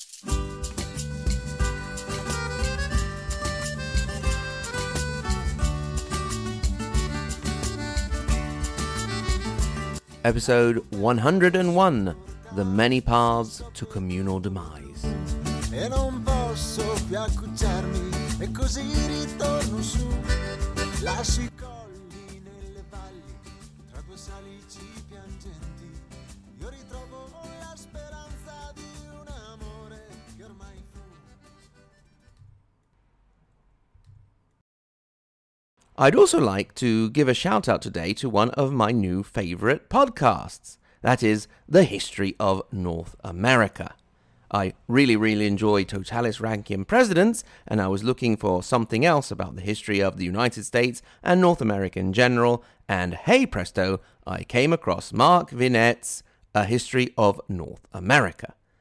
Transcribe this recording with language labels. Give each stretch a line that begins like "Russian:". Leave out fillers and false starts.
English: Episode 101, The Many Paths to Communal Demise.
Italian: E non posso più accucciarmi, e così ritorno su. Lasci I colli nelle valli, tra due salici piangenti. Io ritrovo la speranza di un amore che ormai fu.
English: I'd also like to give a shout out today to one of my new favorite podcasts. That is The History of North America. I really, really enjoy Totalis Rankium Presidents, and I was looking for something else about the history of the United States and North America in general, and hey presto, I came across Mark Vinette's A History of North America.